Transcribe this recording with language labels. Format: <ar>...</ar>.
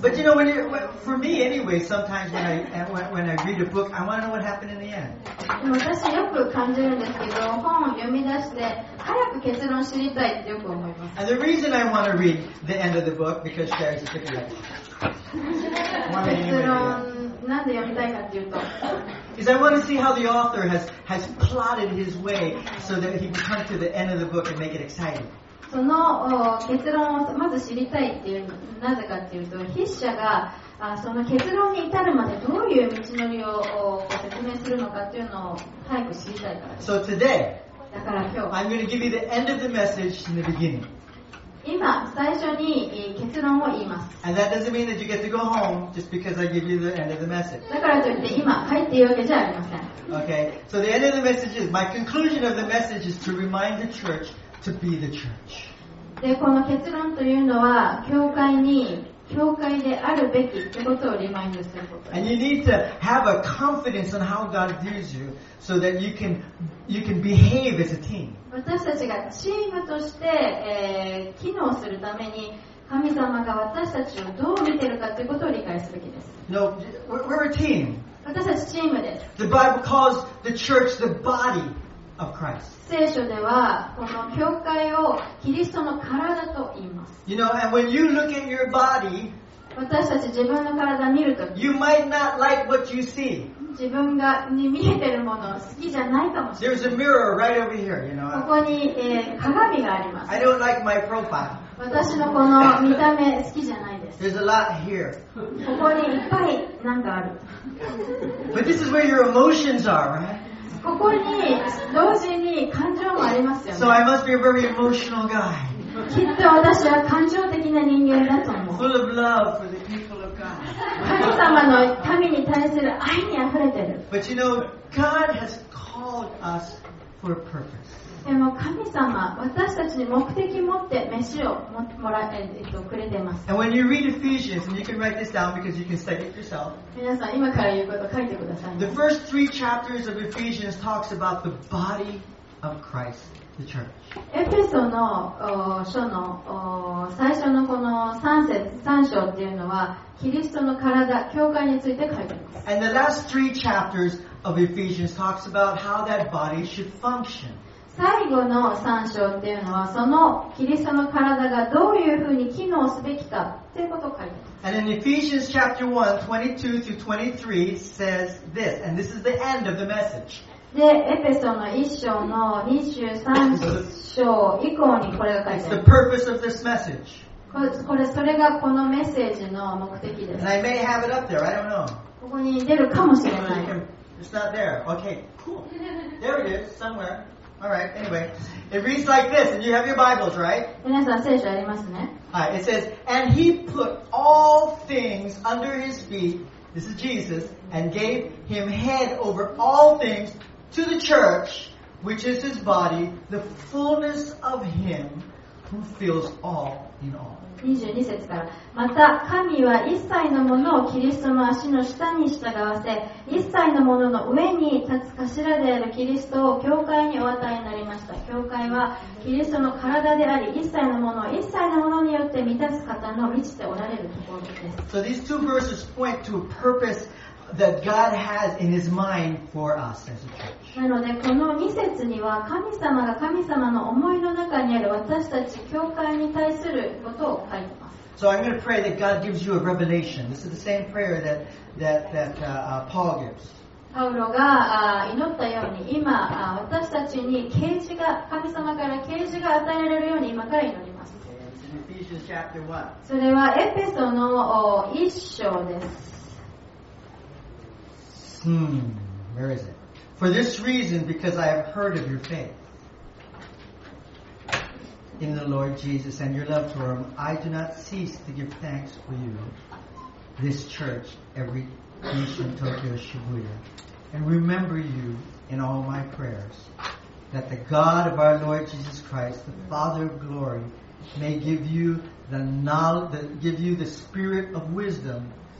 <en>But you know, when for me anyway, sometimes when I read a book, I want to know what happened in the end.</en> <ja>私よく感じるんですけど、本を読み出して早く結論を知りたいってよく思います。</ja> <en>And the reason I want to read the end of the book because Sherry's a picture.</en> <ja>結論なんで読みたいかっていうと。</ja> <en>Is I want to see how the author has plotted his way so that he can come to the end of the book and make it exciting.</en> <ja>その結論をまず知りたいっていうなぜかっていうと筆者がその結論に至るまでどういう道のりを説明するのかっていうのを早く知りたいから。</ja> <en>So today,</en> <ja>だから今日</ja> <en>I'm going to give you the end of the message in the beginning.</en> <ja>今最初に結論を言います。</ja> <en>And that doesn't mean that you get to go home just because I give you the end of the message.</en> <ja>だからといって今帰っていいわけじゃありません。</ja> <en>Okay, so the end of the message is, my conclusion of the message is to remind the church to be the church.</en> <ja>で、この結論というのは、教会に教会であるべきということをリマインドすること。</ja> <en>And you need to have a confidence on how God views you so that you can behave as a team.</en> <ja>私たちがチームとして、機能するために神様が私たちをどう見ているかということを理解すべきです。</ja> <en>No, we're a team.</en> <ja>私たちチームです。</ja> <en>The Bible calls the church the body of Christ.</en> <ja>聖書ではこの教会をキリストの体と言います。</ja> <en>You know, and when you look at your body,</en> <ja>私たち自分の体を見ると、</ja> <en>you might not like what you see.</en> <ja>自分がに見えているものを好きじゃないかもしれない。</ja> <en>There's a mirror right over here, you know.</en> <ja>ここに、鏡があります。</ja> <en>I don't like my profile.</en> <ja>私のこの見た目好きじゃないです。</ja> <en>There's a lot here.</en> <ja>ここにいっぱいなんかある。</ja> <en>But this is where your emotions are, right?</en> <ja>ここに同時に感情もありますよね。</ja> <en>So I must be a very emotional guy.</en> <ja>きっと私は感情的な人間だと思う。</ja> <en>Full of love for the people of God.</en> <ja>神様の民に対する愛にあふれてる。</ja> <en>But you know, God has called us for a purpose.</en> <ja>でも神様私たちに目的持って飯をもらえてくれてます。</ja> <en>And when you read Ephesians, and you can write this down because you can study it yourself.</en> <ja>皆さん今から言うことを書いてください、ね。</ja> <en>The first three chapters of Ephesians talks about the body of Christ, the church.</en> <ja>エペソの書の最初のこの3章っていうのはキリストの体、教会について書いてます。</ja> <en>And the last three chapters of Ephesians talks about how that body should function.</en> <ja>最後の3章っていうのはそのキリストの体がどういうふうに機能すべきかっていうことを書いてます。</ja> <en>And in Ephesians chapter 1:22-23 says this, and this is the end of the message.</en> <ja>で、エペソの1章の23章以降にこれが書いてます。</ja> <en>The purpose of this message.</en> <ja>これそれがこのメッセージの目的です。</ja> <en>And I may have it up there, I don't know.</en> <ja>ここに出るかもしれない。</ja> <en>It's not there. Okay, cool. There it is, somewhere. Alright, anyway. It reads like this, and you have your Bibles, right?</en> <ja>皆さん聖書ありますね。</ja> <en>Alright, it says, And he put all things under his feet, this is Jesus, and gave him head over all things to the church, which is his body, the fullness of him who fills all</en> <ja>22節から、また神は一切のものをキリストの足の下に従わせ、一切のものの上に立つ頭であるキリストを教会にお与えになりました。教会はキリストの体であり、一切のものを一切のものによって満たす方の満ちておられるところです。</ja> <en>So these two verses point to a purpose that God has in his mind for us as a church.</en> <ja>なのでこの2節には、神様が神様の思いの中にある私たち教会に対することを書いています。</ja> <en>So I'm going to pray that God gives you a revelation. This is the same prayer that Paul gives.</en> <ja>パウロが祈ったように、今私たちに啓示が、神様から啓示が与えられるように今から祈ります。</ja> <en>In Ephesians chapter 1.</en> <ja>それはエペソの一章です。</ja> <en>Where is it? For this reason, because I have heard of your faith in the Lord Jesus and your love for him, I do not cease to give thanks for you, this church, every nation, Tokyo, Shibuya, and remember you in all my prayers, that the God of our Lord Jesus Christ, the Father of glory, may give you the knowledge, give you the spirit of wisdom</en>